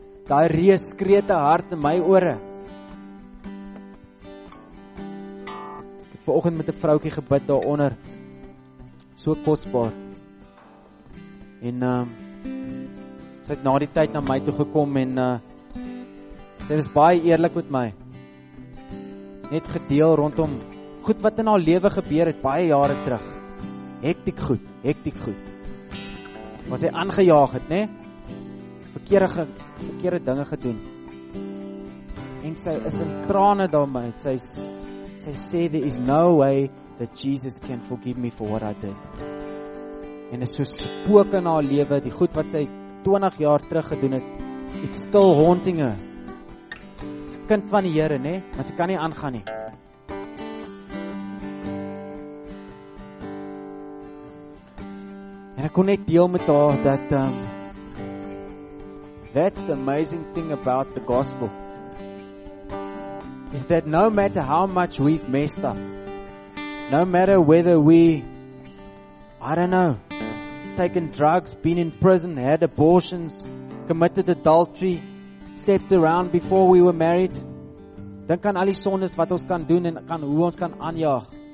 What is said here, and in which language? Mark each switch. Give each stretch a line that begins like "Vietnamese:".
Afrikaans: Daai reus skreeu hard in my ore. Ek het vanoggend met 'n vroutjie gebid daaronder. So kosbaar. En sy het na die tyd na my toe gekom en sy was baie eerlik met my. Net gedeel rondom goed wat in haar lewe gebeur het baie jare terug. Hektiek goed. Was sy aangejaag het, né? Verkeerde dinge gedoen. En sy is in trane daarmee. Sy sê,
English: there is no way that Jesus can forgive me for what I did.
Afrikaans: En is so spook in haar lewe, die goed wat sy 20 jaar terug gedoen het,
English: it's still haunting her.
Afrikaans: Sy kind van die Here, nê? Maar sy kan nie aangaan nie. En ek kon net deel met haar dat
English: that's the amazing thing about the gospel. Is that no matter how much we've messed up, no matter whether we, I don't know, taken drugs, been in prison, had abortions, committed adultery, stepped around before we were married,
Afrikaans: dink aan al die sondes wat ons kan doen en kan hoe ons kan aanjaag.